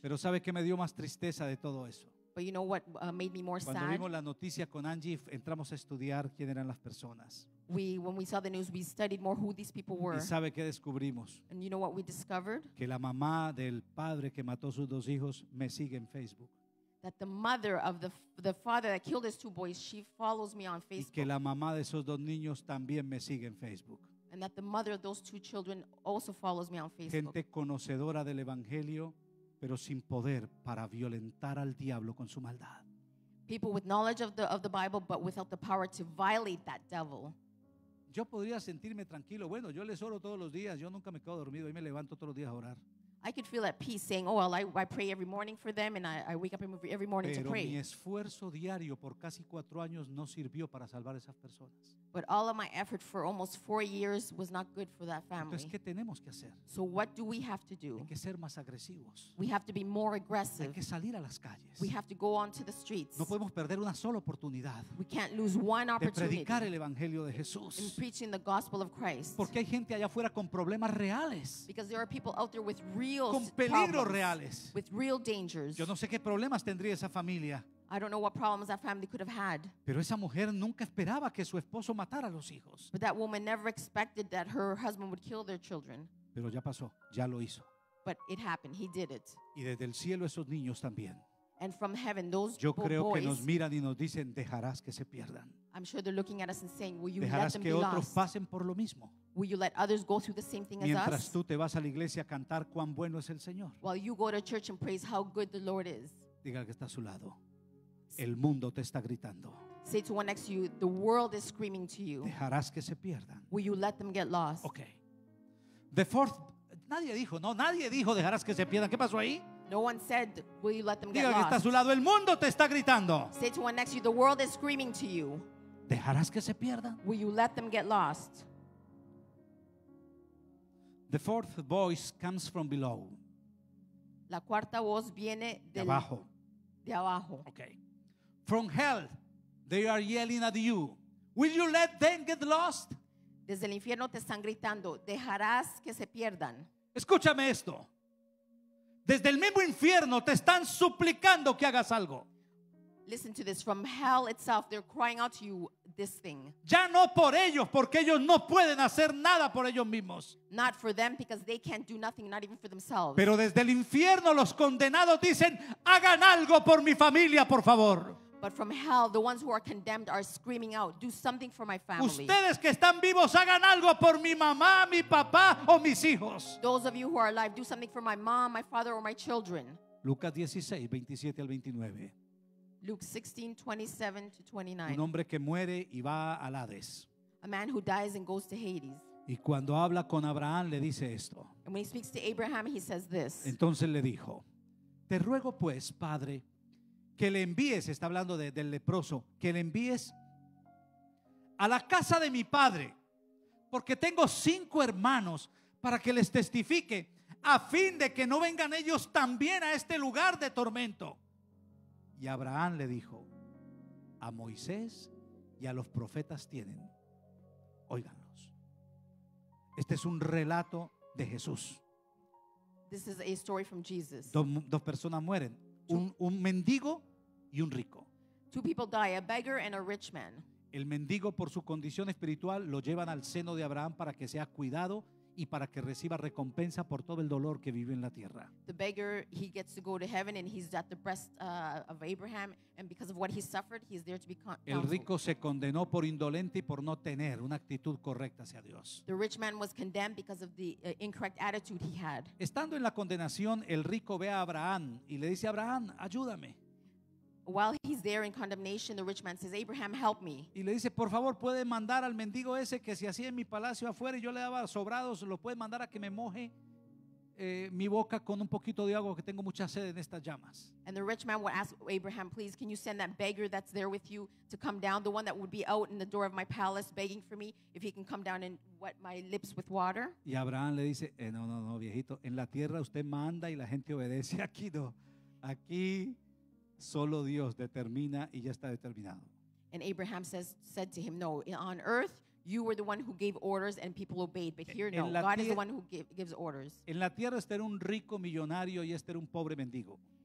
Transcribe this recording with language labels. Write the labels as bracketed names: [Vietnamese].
[Spanish] Pero ¿sabe qué me dio más tristeza de todo eso? [English] But you know what made me more sad? [Spanish] Cuando vimos la noticia con Angie, entramos a estudiar quién eran las personas. [English] When we saw the news, we studied more who these people were. [Spanish] ¿Y sabe qué descubrimos? [English] And you know what we discovered? [Spanish] Que la mamá del padre que mató sus dos hijos me sigue en Facebook. [English] That the mother of the father that killed his two boys, she follows me on Facebook. [Spanish] Y que la mamá de esos dos niños también me sigue en Facebook. [English] And that the mother of those two children also follows me on Facebook. [Spanish] Gente conocedora del evangelio, pero sin poder para violentar al diablo con su maldad. [English] People with knowledge of the Bible, but without the power to violate that devil. [Spanish] Yo podría sentirme tranquilo. Bueno, yo les oro todos los días. Yo nunca me quedo dormido y me levanto todos los días a orar. [English] I could feel at peace saying, oh, well, I pray every morning for them and I wake up every morning [Spanish] Pero [English] to pray. [Spanish] Pero mi esfuerzo diario por casi 4 años no sirvió para salvar esas personas. [English] But all of my effort for almost 4 years was not good for that family. [Spanish] Entonces, ¿qué tenemos que hacer? [English] So what do we have to do? [Spanish] Hay que ser más agresivos. [English] We have to be more aggressive. [Spanish] Hay que salir a las calles. [English] We have to go onto the streets. [Spanish] No podemos perder una sola oportunidad. [English] We can't lose one opportunity. [Spanish] De predicar el evangelio de Jesús. [English] In preaching the gospel of Christ. [Spanish] Porque hay gente allá afuera con problemas reales. [English] Because there are people out there with real [Spanish] con peligros reales. [English] With real dangers. [Spanish] Yo no sé qué problemas tendría esa familia. [English] I don't know what problems that family could have had. [Spanish] Pero esa mujer nunca esperaba que su esposo matara a los hijos. [English] But that woman never expected that her husband would kill their children. [Spanish] Pero ya pasó, ya lo hizo. [English] But it happened, he did it. [Spanish] Y desde el cielo esos niños también. [English] And from heaven those [Spanish] yo creo [English] boys, [Spanish] que nos miran y nos dicen, dejarás que se pierdan. [English] I'm sure they're looking at us and saying, will you [Spanish] dejarás [English] let them [Spanish] que [English] be [Spanish] otros [English] lost? [Spanish] Pasen por lo mismo. [English] Will you let others go through the same thing [Spanish] mientras [English] as us? [Spanish] Mientras tú te vas a la iglesia a cantar cuán bueno es el Señor. [English] While you go to church and praise how good the Lord is. [Spanish] Diga al que está a su lado. El mundo te está gritando. [English] Say to one next to you, the world is screaming to you. [Spanish] Dejarás que se pierdan. [English] Will you let them get lost? Okay. The fourth. [Spanish] Nadie dijo dejarás que se pierdan. ¿Qué pasó ahí? [English] No one said, will you let them [Spanish] diga [English] get lost? [Spanish] Diga al que está a su lado, el mundo te está gritando. [English] Say to one next to you, the world is screaming to you. [Spanish] Dejarás que se pierdan. [English] Will you let them get lost? The fourth voice comes from below. [Spanish] La cuarta voz viene de abajo. De abajo. [English] Okay. From hell, they are yelling at you. Will you let them get lost? [Spanish] Desde el infierno te están gritando, dejarás que se pierdan. Escúchame esto. Desde el mismo infierno te están suplicando que hagas algo. [English] Listen to this. From hell itself, they're crying out to you this thing. [Spanish] Ya no por ellos, porque ellos no pueden hacer nada por ellos mismos. [English] Not for them, because they can't do nothing, not even for themselves. [Spanish] Pero desde el infierno los condenados dicen, hagan algo por mi familia, por favor. [English] But from hell, the ones who are condemned are screaming out, do something for my family. [Spanish] Ustedes que están vivos, hagan algo por mi mamá, mi papá o mis hijos. [English] Those of you who are alive, do something for my mom, my father or my children. [Spanish] Lucas 16, 27 al 29. [English] Luke 16, 27 to 29. [Spanish] Un hombre que muere y va al Hades. [English] A man who dies and goes to Hades. [Spanish] Y cuando habla con Abraham le dice esto. [English] And when he speaks to Abraham he says this. [Spanish] Entonces le dijo, te ruego pues, padre, que le envíes, está hablando del leproso, que le envíes a la casa de mi padre, porque tengo 5 hermanos para que les testifique, a fin de que no vengan ellos también a este lugar de tormento. Y Abraham le dijo, a Moisés y a los profetas tienen, óiganlos. Este es un relato de Jesús. [English] This is a story from Jesus. [Spanish] Dos personas mueren, un mendigo y un rico. [English] Two people die, a beggar and a rich man. [Spanish] El mendigo, por su condición espiritual, lo llevan al seno de Abraham para que sea cuidado y para que reciba recompensa por todo el dolor que vive en la tierra. [English] The beggar, he gets to go to heaven and he's at the breast of Abraham, and because of what he suffered, he's there to be counseled. [Spanish] El rico se condenó por indolente y por no tener una actitud correcta hacia Dios. [English] The rich man was condemned because of the incorrect attitude he had. [Spanish] Estando en la condenación, el rico ve a Abraham y le dice: Abraham, ayúdame. [English] While he's there in condemnation, the rich man says, Abraham, help me. [Spanish] Y le dice, por favor, puede mandar al mendigo ese que se hacía en mi palacio afuera y yo le daba sobrados, lo puede mandar a que me moje mi boca con un poquito de agua, que tengo mucha sed en estas llamas. [English] And the rich man would ask Abraham, please, can you send that beggar that's there with you to come down, the one that would be out in the door of my palace begging for me, if he can come down and wet my lips with water? [Spanish] Y Abraham le dice, no, viejito, en la tierra usted manda y la gente obedece, aquí no, aquí solo Dios determina y ya está determinado. [English] And Abraham said to him, no, on earth you were the one who gave orders and people obeyed, but here no, God is the one who gives orders. [Spanish] En la tierra este era un rico millonario y este era un pobre mendigo.